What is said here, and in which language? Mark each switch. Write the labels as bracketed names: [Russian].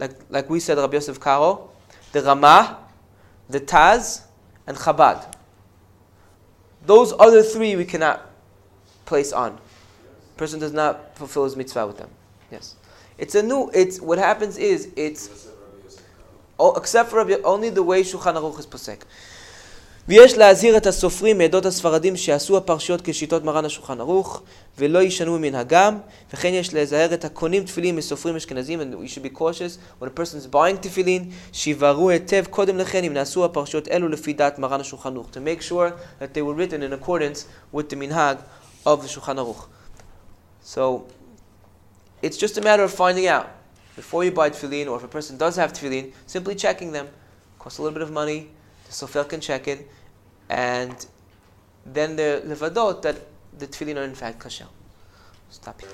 [English] Like we said, Rabbi Yosef Karo, the Rama, the Taz, and Chabad. Those other three we cannot place on. Person does not fulfill his mitzvah with them. Yes. What happens is, except for Rabbi, only the way Shulchan Aruch is posek. [Hebrew] ויש להזהיר את הסופרים מעדות הספרדים שעשו הפרשיות כשיטות מרן השולחן ערוך ולא ישנו ממנהגם, וכן יש להזהר את הקונים תפילין מסופרים אשכנזים, [English] and you should be cautious when a person is buying [Hebrew] תפילין, שיבררו היטב קודם לכן אם נעשו הפרשיות אלו לפי דעת מרן השולחן ערוך, [English] to make sure that they were written in accordance with the [Hebrew] מנהג of the שולחן ערוך. [English] So it's just a matter of finding out before you buy תפילין, or if a person does have תפילין, simply checking them. Costs a little bit of money. Sofer can check it, and then the levadot that the tefillin are in fact kasher. Stop here.